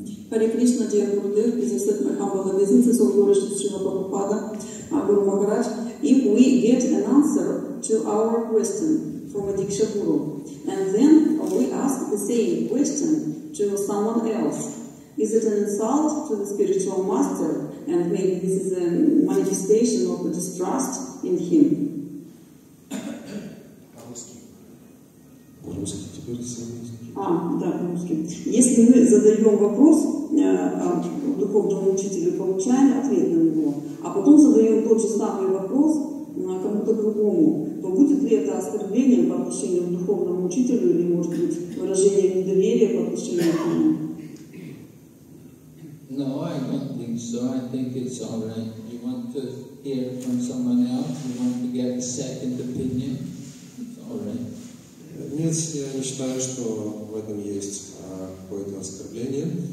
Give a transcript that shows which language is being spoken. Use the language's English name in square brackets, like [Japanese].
[English] Харе Кришна, Диан Гурдер, из Эстет Мехамбала, Визинс, Солгуры, Шрила Прабхупада, Гуру Махарадж. If we get an answer to our question from a Диксха Гуру, and then we ask the same question to someone else, is it an insult to the spiritual master, and maybe this is a manifestation of the distrust in him? [Russian] Если мы задаем вопрос духовному учителю, получаем ответ на него, а потом задаем тот же самый вопрос кому-то другому, то будет ли это оскорблением по отношению к духовному учителю или, может быть, выражением недоверия по отношению к нему? [English] No, I don't think so. I think it's all right. You want to hear from someone else, you want to get a second opinion, it's all right. [Russian] Нет, я не считаю, что в этом есть какое-то оскорбление.